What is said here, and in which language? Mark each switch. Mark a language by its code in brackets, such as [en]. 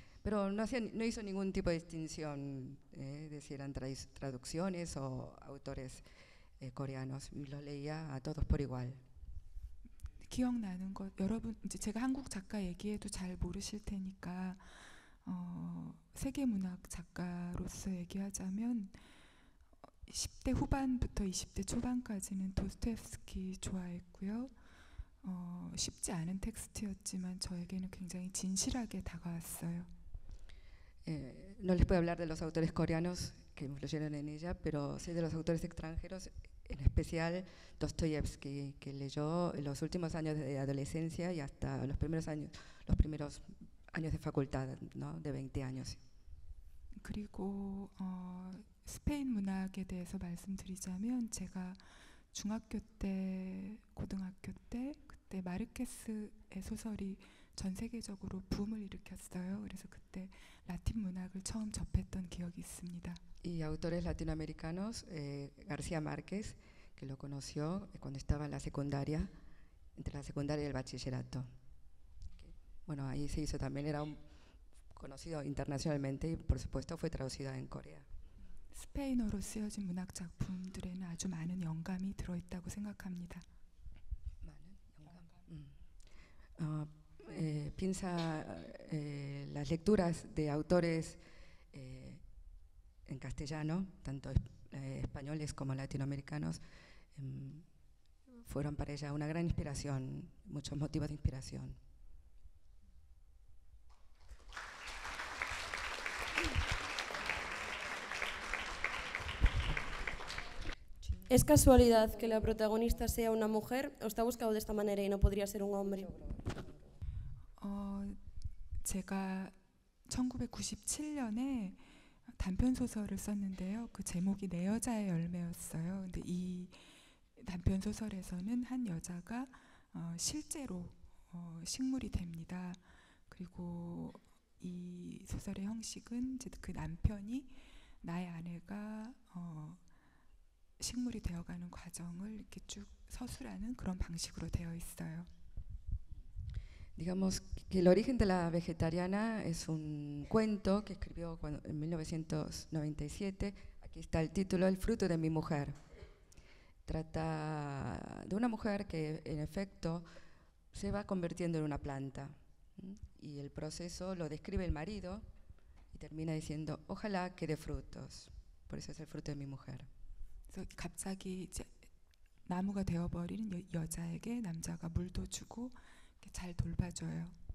[es] Pero no hizo ningún tipo de distinción de si eran traducciones o autores coreanos. Los leía a todos por igual. [ko] 기억나는 것, 여러분, 이제 제가 한국 작가 얘기해도 잘 모르실 테니까 세계 문학 작가로서 얘기하자면 10대 후반부터 20대 초반까지는 도스토옙스키 좋아했고요. 쉽지 않은 텍스트였지만 저에게는 굉장히 진실하게 다가왔어요. [es] No les puedo hablar de los autores coreanos que influyeron en ella, pero sí de los autores extranjeros, en especial Dostoyevsky, que leyó en los últimos años de adolescencia y hasta los primeros años de facultad, ¿no? De 20 años. [ko] 그리고 스페인 문학에 대해서 말씀드리자면 제가 중학교 때, 고등학교 때 그때 마르케스의 소설이 전 세계적으로 붐을 일으켰어요. 그래서 그때 라틴 문학을 처음 접했던 기억이 있습니다. [es] Y autores latinoamericanos, García Márquez, que lo conoció cuando estaba en la secundaria, entre la secundaria y el bachillerato. Bueno, ahí se hizo también, era conocido internacionalmente y por supuesto fue traducido en Corea. [ko] 스페인어로 쓰여진 문학 작품들에는 아주 많은 영감이 들어있다고 생각합니다. 많은 영감. [es] Piensa las lecturas de autores en castellano, tanto españoles como latinoamericanos, fueron para ella una gran inspiración, muchos motivos de inspiración. ¿Es casualidad que la protagonista sea una mujer o está buscado de esta manera y no podría ser un hombre? [ko] 제가 1997년에 단편 소설을 썼는데요. 그 제목이 내 여자의 열매였어요. 근데 이 단편 소설에서는 한 여자가 실제로 식물이 됩니다. 그리고 이 소설의 형식은 이제 그 남편이 나의 아내가 식물이 되어가는 과정을 이렇게 쭉 서술하는 그런 방식으로 되어 있어요. [es] Digamos que el origen de la vegetariana es un cuento que escribió cuando, en 1997. Aquí está el título, El fruto de mi mujer. Trata de una mujer que, en efecto, se va convirtiendo en una planta. Y el proceso lo describe el marido y termina diciendo, ojalá que dé frutos. Por eso es el fruto de mi mujer. [ko] So, 갑자기 이제 나무가 되어버린 여자에게 남자가 물도 주고 잘 돌봐줘요.